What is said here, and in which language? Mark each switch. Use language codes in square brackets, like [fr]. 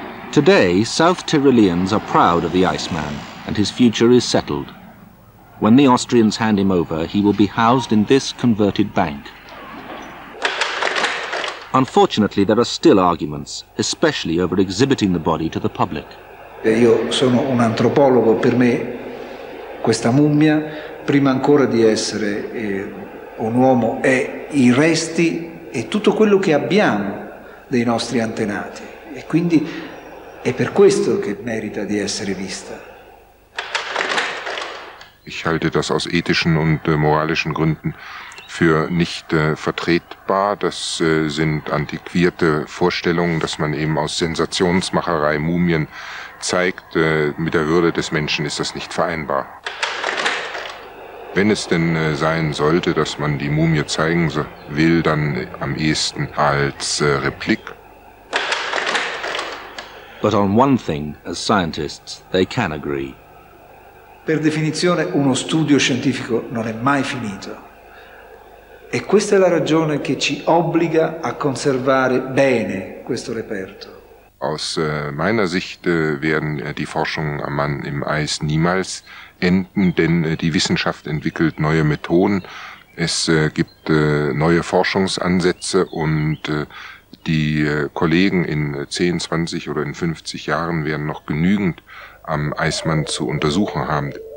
[en] Today, South Tyroleans are proud of the Iceman, and his future is settled. When the Austrians hand him over, he will be housed in this converted bank. Unfortunately, there are still arguments, especially over exhibiting the body to the public. [it] Io sono un antropologo, per me questa mummia, prima ancora di essere un uomo, è i resti e tutto quello che abbiamo dei nostri antenati. E quindi è per questo che merita di essere vista. [de] Ich halte das aus ethischen und moralischen Gründen für nicht vertretbar. Das sind antiquierte Vorstellungen, dass man eben aus Sensationsmacherei Mumien zeigt. Mit der Würde des Menschen ist das nicht vereinbar. Wenn es denn sein sollte, dass man die Mumie zeigen will, dann am ehesten als Replik. [en] But on one thing, as scientists, they can agree. [it] Per definizione, uno studio scientifico non è mai finito. E questa è la ragione che ci obbliga a conservare bene questo reperto. [de] Aus meiner Sicht werden die Forschungen am Mann im Eis niemals enden, denn die Wissenschaft entwickelt neue Methoden. Es gibt neue Forschungsansätze und die Kollegen in 10, 20 oder in 50 Jahren werden noch genügend am Eismann zu untersuchen haben.